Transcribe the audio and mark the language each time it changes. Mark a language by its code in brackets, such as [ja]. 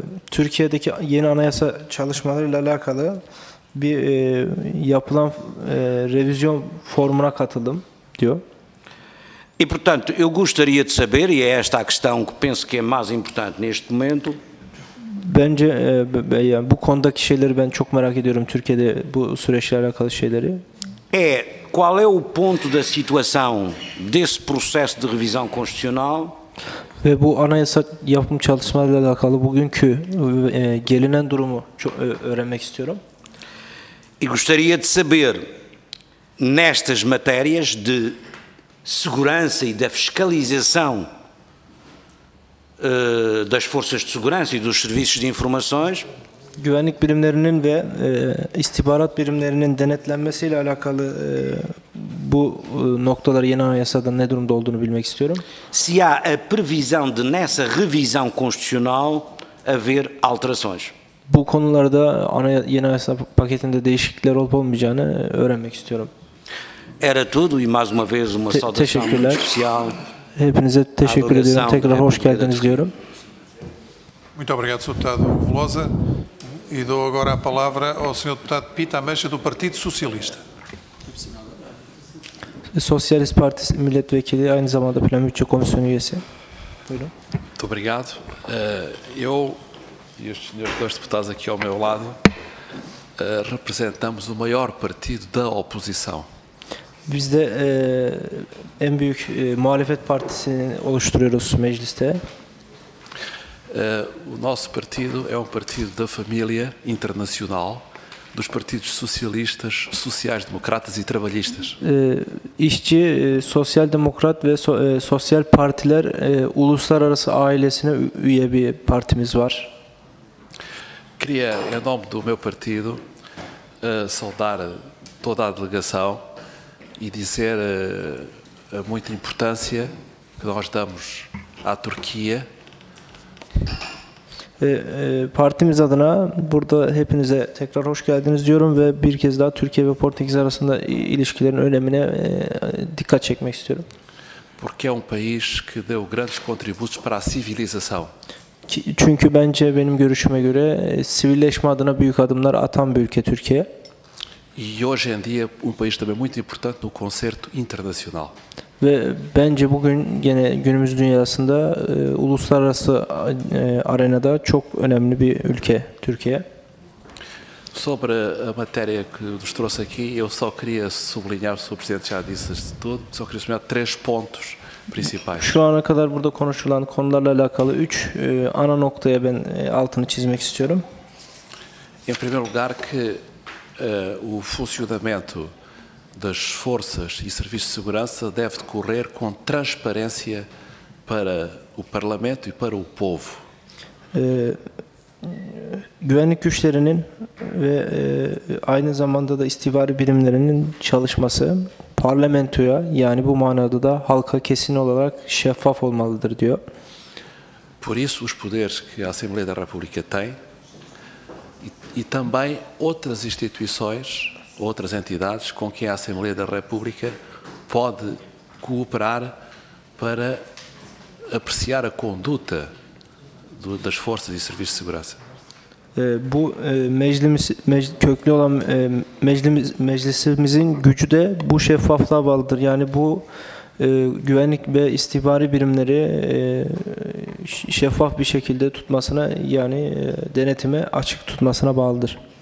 [tr] Türkiye'deki yeni anayasa çalışmalarıyla alakalı bir yapılan revizyon formuna katıldım diyor. [pt] E portanto, eu gostaria de saber e é esta a questão que penso que é mais importante neste momento. [tr] Bence yani bu konudaki şeyleri ben çok merak ediyorum Türkiye'de bu süreçle alakalı şeyleri. [pt] É qual é o ponto da situação desse processo de revisão constitucional? [tr] Ve bu anayasa yapım çalışmalarıyla alakalı bugünkü gelinen durumu öğrenmek istiyorum. [pt] E gostaria de saber, nestas matérias de segurança e da fiscalização das forças de segurança e dos serviços de informações, [tr] güvenlik birimlerinin ve istihbarat birimlerinin denetlenmesiyle alakalı bu noktalar yeni anayasada ne durumda olduğunu bilmek istiyorum. [pt] Se há a previsão de nessa revisão constitucional haver alterações. [tr] Bu konularda yeni anayasa paketinde değişiklikler olup olmayacağını öğrenmek istiyorum. [pt] Era tudo e mais uma vez uma saudação especial. [tr] Hepinize teşekkür ediyorum. Tekrar hoş geldiniz diyorum. [pt] Muito obrigado, Sr. Deputado Velosa. E dou agora a palavra ao Sr. Deputado Pita Ameixa, do Partido Socialista. [tr] Socialist Parti Milletvekili, aynı zamanda Plan Bütçe Komisyonu üyesi. Buyurun. [pt] Muito obrigado. Eu e os senhores dois deputados aqui ao meu lado representamos o maior partido da oposição. [tr] Biz de en büyük muhalefet partisini oluşturuyoruz mecliste. [pt] O nosso partido é partido da família internacional, dos partidos socialistas, sociais-democratas e trabalhistas? [tr] İşçi, sosyal-demokrat ve sosyal partiler uluslararası ailesine üye bir partimiz var. [pt] Queria, em nome do meu partido, saudar toda a delegação e dizer a muita importância que nós damos à Turquia. [tr] Partimiz adına burada hepinize tekrar hoş geldiniz diyorum ve bir kez daha Türkiye ve Portekiz arasında ilişkilerin önemine dikkat çekmek istiyorum. [pt] Porque é país que deu grandes contributos para a civilização. [tr] Çünkü bence benim görüşüme göre sivilleşme adına büyük adımlar atan bir ülke Türkiye. [pt] E hoje em dia país também muito importante no concerto internacional. [tr] Ve bence bugün gene günümüz dünyasında uluslararası arenada çok önemli bir ülke Türkiye. [pt] Sobre a matéria que nos trouxe aqui, eu só queria sublinhar, o presidente já disse tudo, só queria sublinhar três pontos principais. [tr] Şu ana kadar burada konuşulan konularla alakalı üç ana noktaya ben altını çizmek istiyorum. [pt] Em primeiro lugar que o funcionamento das forças e serviços de segurança deve decorrer com transparência para o Parlamento e para o povo. [tr] Güvenlik güçlerinin ve aynı zamanda da istihbari birimlerinin çalışması parlamentoya, yani bu manada da halka kesin olarak şeffaf olmalıdır diyor. [pt] Por isso os poderes que a Assembleia da República tem e também outras instituições, outras entidades com quem a Assembleia da República pode cooperar para apreciar a conduta das forças e serviços de segurança. [tr] Bu meclimiz, köklü olan meclisimizin gücü de bu şeffaflığa bağlıdır. Yani bu güvenlik ve istihbari birimleri şeffaf bir şekilde tutmasına, yani denetime açık tutmasına bağlıdır.